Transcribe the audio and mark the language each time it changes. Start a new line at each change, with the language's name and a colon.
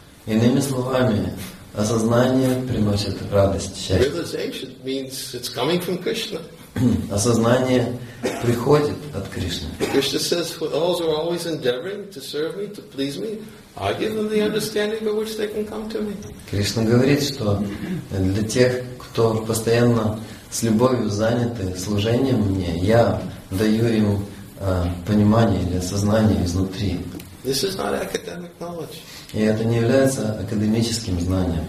Russian: Иными словами, осознание приносит радость, счастье.
English: Realization means it's coming from Krishna.
Russian: Осознание приходит от Кришны.
English: Krishna says, for those who are always endeavoring to serve me, to please me, I give them the understanding by which they can come to me.
Russian: Кришна говорит, что для тех, кто постоянно с любовью заняты служением мне, я даю им понимание или осознание изнутри.
English: This is not academic knowledge.
Russian: И это не является академическим знанием.